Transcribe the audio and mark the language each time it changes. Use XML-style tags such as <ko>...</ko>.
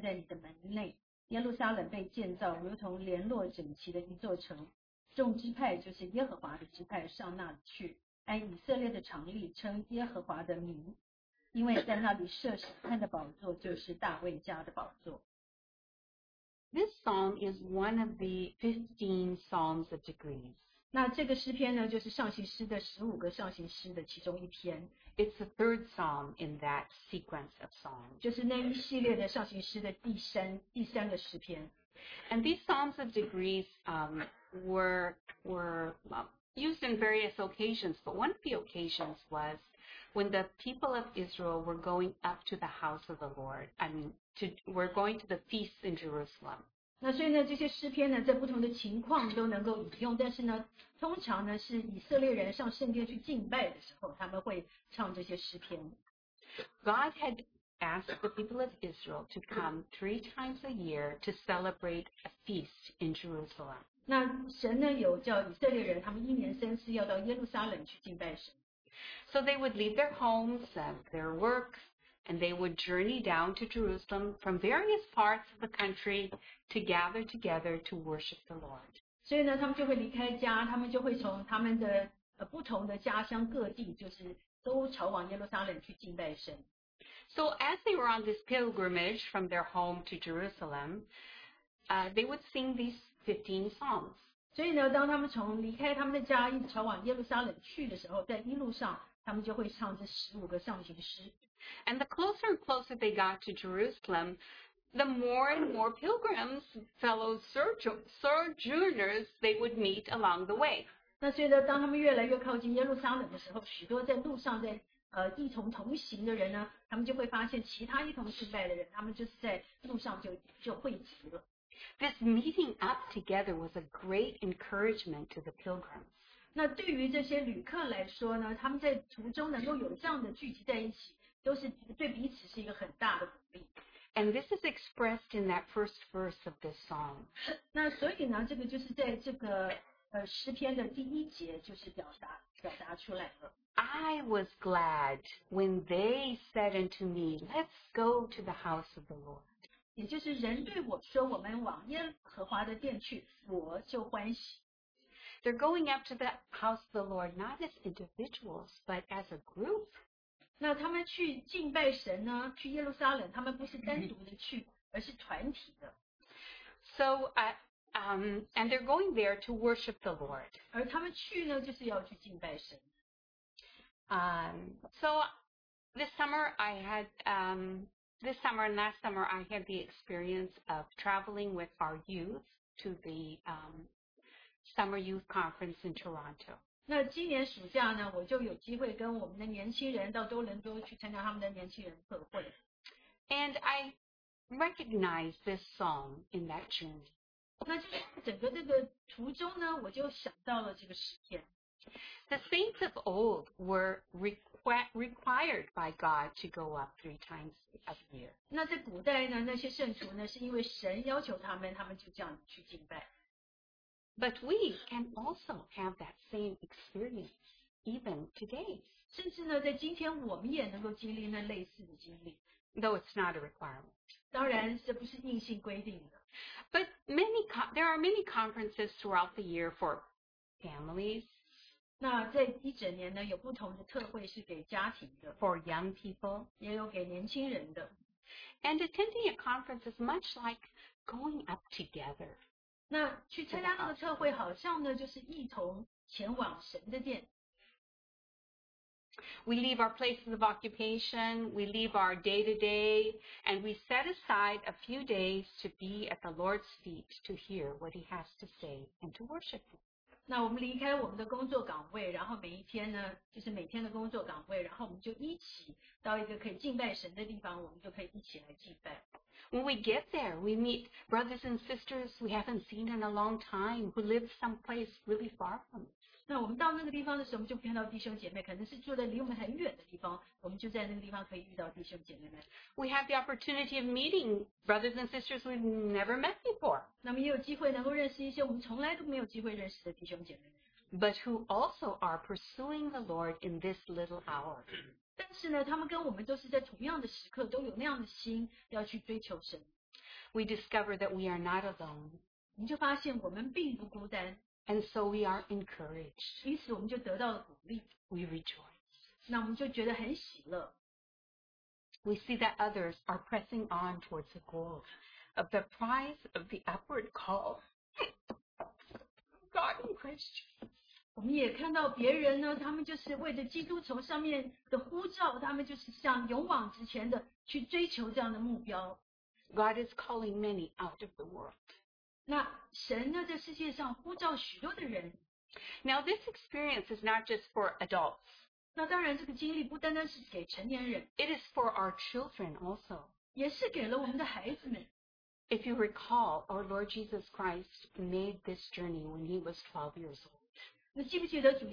<zh>对我说，我们往耶和华的殿去，我就欢喜。耶路撒冷啊，我们的脚站在你的门内。耶路撒冷被建造，如同联络整齐的一座城。众支派就是耶和华的支派，上那里去。按以色列的常例称耶和华的名，因为在那里设审判的宝座就是大卫家的宝座。</zh> <en>This psalm is one of the 15 psalms of degrees.</en> <zh>那这个诗篇呢，就是上行诗的15个上行诗的其中一篇。</zh> <en>It's the third psalm in that sequence of psalms.</en> <zh>就是那一系列的上行诗的第三个诗篇。</zh> <en>And these psalms of degrees were used in various occasions, but one of the occasions was when the people of Israel were going up to the house of the Lord, were going to the feast in Jerusalem.</en> <zh>那所以呢，这些诗篇呢，在不同的情况都能够引用，但是呢，通常呢，是以色列人上圣殿去敬拜的时候，他们会唱这些诗篇。</zh> <en>God had asked the people of Israel to come 3 times a year to celebrate a feast in Jerusalem.</en> <zh>那神呢，有叫以色列人，他们一年三次要到耶路撒冷去敬拜神。</zh> <en>So they would leave their homes and their work, and they would journey down to Jerusalem from various parts of the country to gather together to worship the Lord.</en> <zh>所以呢，他们就会离开家，他们就会从他们的不同的家乡各地，就是都朝往耶路撒冷去敬拜神。</zh> <en>So as they were on this pilgrimage from their home to Jerusalem, they would sing these 15 psalms.</en> <zh>所以呢，当他们从离开他们的家，一直朝往耶路撒冷去的时候，在一路上，他们就会唱这十五个上行诗。</zh> <en>And the closer and closer they got to Jerusalem, the more and more pilgrims, fellow sojourners, they would meet along the way.</en> <zh>那所以呢，当他们越来越靠近耶路撒冷的时候，许多在路上在一同同行的人呢，他们就会发现其他一同敬拜的人，他们就是在路上就汇集了。</zh> <en>This meeting up together was a great encouragement to the pilgrims.</en> <zh>那对于这些旅客来说呢，他们在途中能够有这样的聚集在一起，都是对彼此是一个很大的鼓励。</zh> <en>And this is expressed in that first verse of this psalm.</en> <zh>那所以呢，这个就是在这个诗篇的第一节就是表达出来了。</zh> <en>I was glad when they said unto me, "Let's go to the house of the Lord."</en> <zh>也就是人对我说我们往耶和华的殿去，我就欢喜。</zh> <en>They're going up to the house of the Lord not as individuals but as a group.</en> <zh>那他们去敬拜神呢，去耶路撒冷，他们不是单独的去，而是团体的。</zh> <en>So, and they're going there to worship the Lord.</en> <zh>而他们去呢，就是要去敬拜神。</zh> <en>So, this summer and last summer, I had the experience of traveling with our youth to the summer youth conference in Toronto.</en> <zh>那今年暑假呢，我就有机会跟我们的年轻人到多伦多去参加他们的年轻人特会。</zh> <en>And I recognized this song in that journey.</en> <zh>那就是整个这个途中呢，我就想到了这个诗篇。</zh> <en>The saints of old were required by God to go up 3 times a year.</en> <zh>那在古代呢，那些圣徒呢，是因为神要求他们，他们就这样去敬拜。</zh> <en>But we can also have that same experience even today.</en> <zh>甚至呢，在今天我们也能够经历那类似的经历。</zh> <en>Though it's not a requirement.</en> <zh>当然，这不是硬性规定的。</zh> <en>But there are many conferences throughout the year for families.</en> <zh>那在一整年呢，有不同的特会是给家庭的</zh> <en>，for young people，</en> <zh>也有给年轻人的。</zh> <en>And attending a conference is much like going up together.</en> <zh>那去参加那个特会，好像呢就是一同前往神的殿。</zh> <en>We leave our places of occupation, we leave our day to day, and we set aside a few days to be at the Lord's feet to hear what He has to say and to worship Him.</en> <zh>那我们离开我们的工作岗位，然后每一天呢，就是每天的工作岗位，然后我们就一起到一个可以敬拜神的地方，我们就可以一起来敬拜。</zh> <en>When we get there, we meet brothers and sisters we haven't seen in a long time who live someplace really far from us.</en> <zh>那我们到那个地方的时候，我们就看到弟兄姐妹，可能是住在离我们很远的地方，我们就在那个地方可以遇到弟兄姐妹们。</zh> <en>We have the opportunity of meeting brothers and sisters we've never met before.</en> <zh>那么也有机会能够认识一些我们从来都没有机会认识的弟兄姐妹们。</zh> <en>But who also are pursuing the Lord in this little hour.</en> <zh>但是呢，他们跟我们都是在同样的时刻，都有那样的心要去追求神。</zh> <en>We discover that we are not alone.</en> <zh>你就发现我们并不孤单。</zh> <en>And so we are encouraged.</en> <zh>因此我们就得到了鼓励。</zh> <en>We rejoice.</en> <zh>那我们就觉得很喜乐。</zh> <en>We see that others are pressing on towards the goal of the prize of the upward call. God in Christ.</en> <zh>我们也看到别人呢，他们就是为着基督从上面的呼召，他们就是向勇往直前的去追求这样的目标。</zh> <en>God is calling many out of the world.</en> <zh>那神呢，在世界上呼召许多的人。</zh> <en>Now this experience is not just for adults.</en> <zh>那当然，这个经历不单单是给成年人。</zh> <en>It is for our children also.</en> <zh>也是给了我们的孩子们。</zh> <en>If you recall, our Lord Jesus Christ made this journey when he was 12 years old.</en>